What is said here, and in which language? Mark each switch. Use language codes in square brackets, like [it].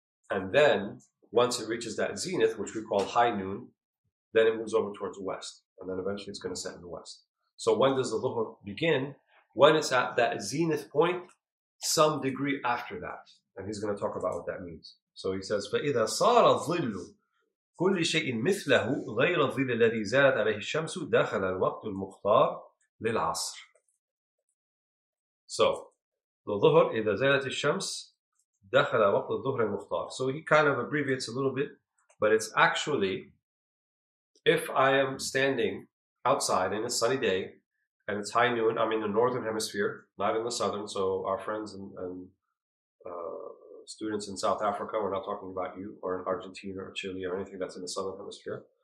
[en] And then, once it reaches that zenith, which we call high noon, then it moves over towards west, and then eventually it's going to set in the west. So when does the dhuhr begin? When it's at that zenith point, some degree after that. And he's going to talk about what that means. So he says, [ar] فَإِذَا صَارَ ظِلُّ كل شيء مثله غير الظل الذي زالت عليه الشمس دخل الوقت المختار للعصر. [en] So the [ar] ظهر إذا زالت الشمس دخل وقت الظهر المختار. [en] So he kind of abbreviates a little bit, but it's actually, if I am standing outside in a sunny day and it's high noon, I'm in the northern hemisphere, not in the southern. So our friends and students in South Africa, we're not talking about you, or in Argentina or Chile or anything that's in the southern hemisphere.